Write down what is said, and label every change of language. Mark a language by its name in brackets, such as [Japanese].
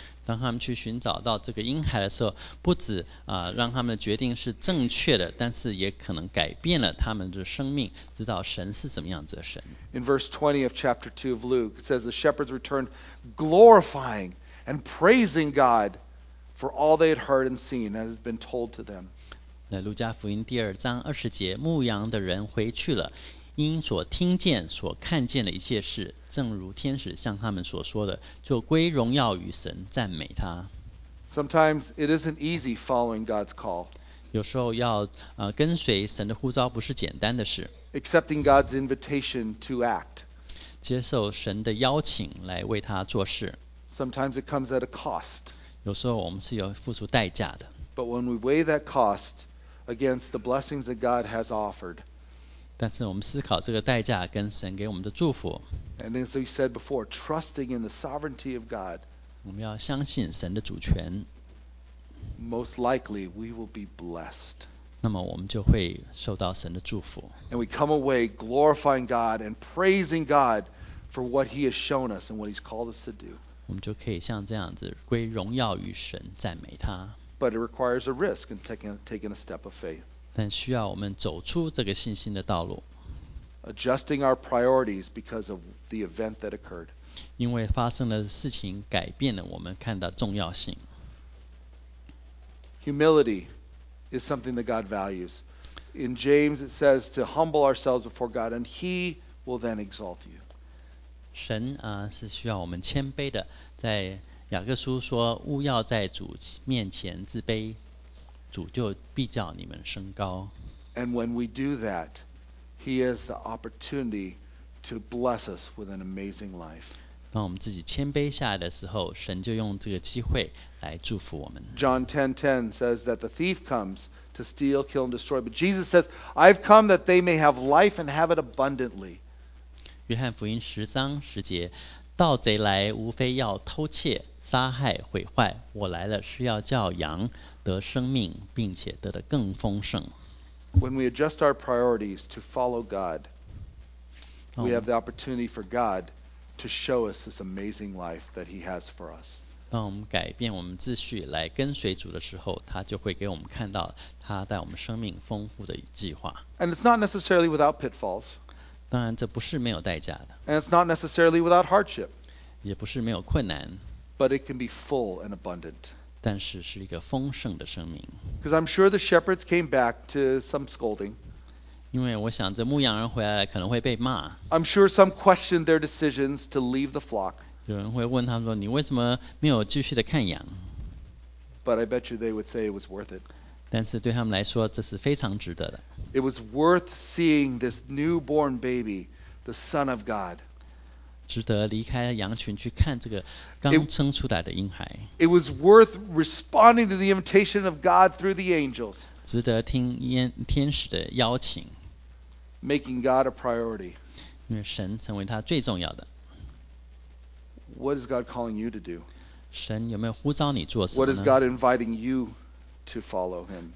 [Chinese] 当他们去寻找到这个婴孩的时候，不止让他们的决定是正确的，但是也可能改变了他们的生命，知道神是怎么样子的神。 [English] In verse 20 of chapter 2 of Luke, it says the shepherds returned glorifying and praising God for all they had heard and seen and had been told to them. [Chinese] 在路加福音第二章二十节，牧羊的人回去了，因所听见、所看见的一切事，正如天使向他们所说的，就归荣耀与神，赞美他。 [English] Sometimes it isn't easy following God's call. [Chinese] 有时候要跟随神的呼召不是简单的事。 [English] Accepting God's invitation to act. [Chinese] 接受神的邀请来为他做事。 [English] Sometimes it comes at a cost. [Chinese] 有时候我们是要付出代价的。 [English] But when we weigh that cost against the blessings that God has offered. [Chinese] 但是我们思考这个代价跟神给我们的祝福。 [English] And as we said before, trusting in the sovereignty of God. [Chinese] 我们要相信神的主权。 [English] Most likely we will be blessed. [Chinese] 那么我们就会受到神的祝福。 [English] And we come away glorifying God and praising God for what he has shown us and what he's called us to do. [Chinese] 我们就可以像这样子归荣耀于神，赞美他。 [English] But it requires a risk and taking a step of faith. [Chinese] 但需要我们走出这个信心的道路。 [English] Adjusting our priorities because of the event that occurred. [Chinese] 因为发生的事情改变了我们看到重要性。 [English] Humility is something that God values. In James it says to humble ourselves before God and he will then exalt you. [Chinese] 神啊，是需要我们谦卑的，在雅各书说务要在主面前自卑。主就必叫你们升高。 [English] And when we do that, he has the opportunity to bless us with an amazing life. [Chinese] 当我们自己谦卑下来的时候，神就用这个机会来祝福我们。 [English] John 10:10 says that the thief comes to steal, kill, and destroy. But Jesus says, I've come that they may have life and have it abundantly. [Chinese] 约翰福音十章十节，盗贼来无非要偷窃、杀害、毁坏，我来了是要叫羊得生命，并且得的更丰盛。 [English] When we adjust our priorities to follow God, we have the opportunity for God to show us this amazing life that he has for us. [Chinese] 当我们改变我们秩序来跟随主的时候，他就会给我们看到他带我们生命丰富的计划。 [English] And it's not necessarily without pitfalls. [Chinese] 当然这不是没有代价的。 [English] And it's not necessarily without hardship. [Chinese] 也不是没有困难。 [English] But it can be full and abundant. [Chinese] 但是是一个丰盛的生命。 [English] Because I'm sure the shepherds came back to some scolding. [Chinese] 因为我想这牧羊人回来可能会被骂。 [English] I'm sure some questioned their decisions to leave the flock. [Chinese] 有人会问他们说你为什么没有继续的看羊。 [English] But I bet you they would say it was worth it. [Chinese] 但是对他们来说这是非常值得的。 [English] It was worth seeing this newborn baby, the Son of God. [Chinese] 值得离开羊群去看这个刚生出来的婴孩。 [English] It was worth responding to the invitation of God through the angels. [Chinese] 值得听天使的邀请 [English] making God a priority. [Chinese] 因为神成为他最重要的 [English] What is God calling you to do? [Chinese] 神有没有呼召你做什么呢 [English] What is God inviting you to follow him?